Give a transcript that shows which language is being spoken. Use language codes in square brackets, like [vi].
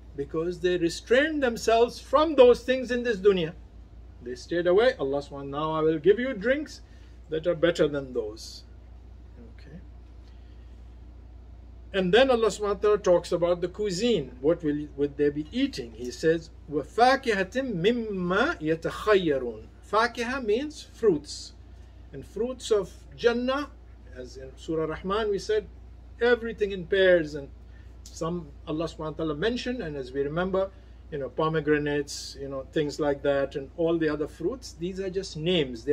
[en] Because they restrained themselves from those things in this dunya. They stayed away. Allah subhanahu wa ta'ala, now I will give you drinks that are better than those. Okay. And then Allah subhanahu wa ta'ala talks about the cuisine. What would they be eating? [ar] He says, وَفَاكِهَةٍ مِمَّا يَتَخَيَّرُونَ. [en] Fakiha means fruits. And fruits of Jannah, as in Surah Rahman we said, everything in pairs, and some Allah subhanahu wa ta'ala mentioned, and as we remember, you know, pomegranates, you know, things like that, and all the other fruits, these are just names.